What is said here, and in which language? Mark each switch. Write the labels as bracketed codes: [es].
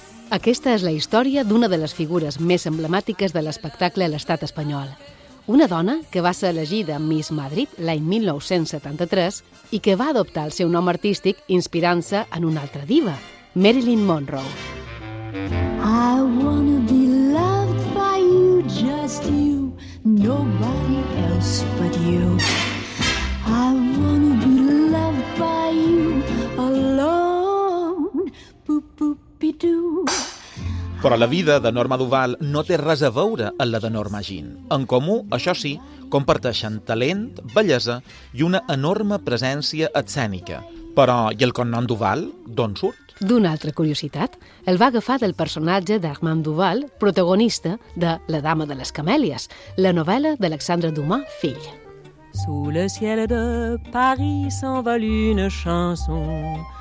[ca] Aquesta és la història d'una de les figures més emblemàtiques de l'espectacle a l'estat espanyol. Una dona que va ser elegida Miss Madrid l'any 1973 i que va adoptar el seu nom artístic inspirant-se en una altra diva, Marilyn Monroe. [en] I wanna be loved by you, just you. Nobody else but you. I wanna be loved by you alone. Pupupidoo. [ca] Però la vida de Norma Duval no té res a veure amb la de Norma Jean. En comú, això sí, comparteixen talent, bellesa i una enorme presència escènica. Però i el cognom Duval, d'on surt? D'una altra curiositat, el va agafar del personatge d'Armand Duval, protagonista de La dama de les camèlies, la novel·la d'Alexandre Dumas, fill. [fr] Sous le ciel de Paris s'envole une chanson.